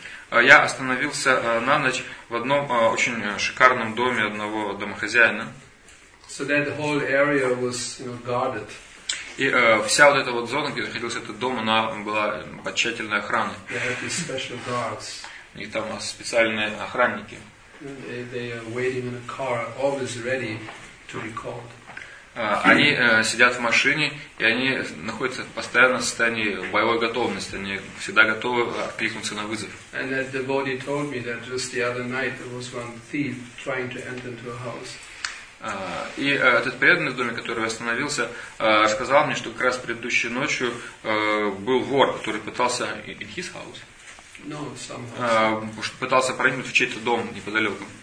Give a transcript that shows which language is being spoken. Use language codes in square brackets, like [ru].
[ru] Я остановился на ночь в одном очень шикарном доме одного домохозяина. [en] So that whole area was, you know, guarded. [ru] И вся вот эта вот зона, где находился этот дом, она была под тщательной охраной. [en] They had these special guards. [ru] У них там специальные охранники. [en] They are waiting in a car, always ready to be called. [ru] Они сидят в машине, и они находятся в постоянном состоянии боевой готовности. Они всегда готовы откликнуться на вызов. [en] And that devotee told me that just the other night there was one thief trying to enter into a house. [ru] И этот преданный в доме, который остановился, сказал мне, что как раз предыдущей ночью был вор, который пытался [en] in his house, [ru] пытался проникнуть в чей-то дом неподалеку.